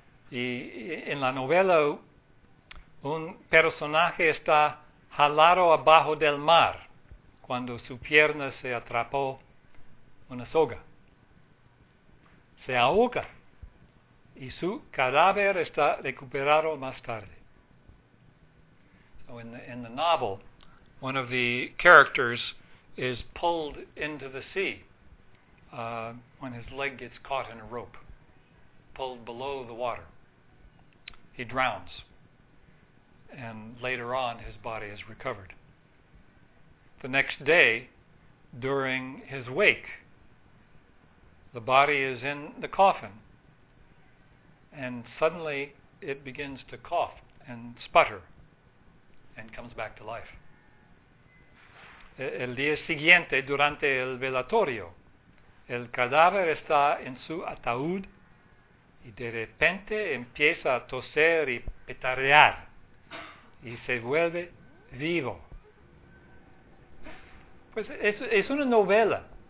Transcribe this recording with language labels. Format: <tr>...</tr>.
<es>Y en la novela, un personaje está jalado abajo del mar cuando su pierna se atrapó una soga. Se ahoga y su cadáver está recuperado más tarde.</es> <en>So in the novel, one of the characters is pulled into the sea when his leg gets caught in a rope, pulled below the water. He drowns, and later on his body is recovered. The next day, during his wake, the body is in the coffin, and suddenly it begins to cough and sputter and comes back to life.</en> <es>El día siguiente, durante el velatorio, el cadáver está en su ataúd y de repente empieza a toser y petarear y se vuelve vivo. Pues es una novela.</es>